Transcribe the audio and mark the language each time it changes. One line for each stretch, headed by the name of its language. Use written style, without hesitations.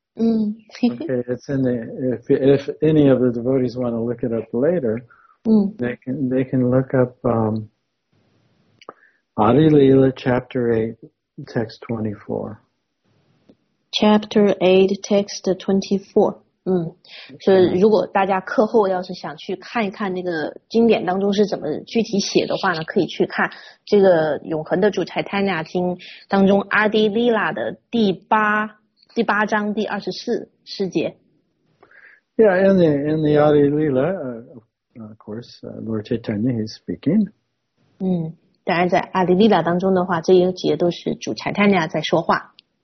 English: Okay, it's in the, if any of the devotees want to look it up later, they can look up Adi Lila chapter 8, text 24. Chapter 8, text 24.
Chinese: 所以如果大家课后要是想去看一看那个经典当中是怎么具体写的话呢，可以去看这个永恒的主财泰纳经当中阿迪利拉的第八章第二十四世节。
English: Yeah, in the 阿迪利拉, of course, Lord Chaitanya is speaking.
Chinese: 当然在阿迪利拉当中的话，这一节都是主财泰纳在说话。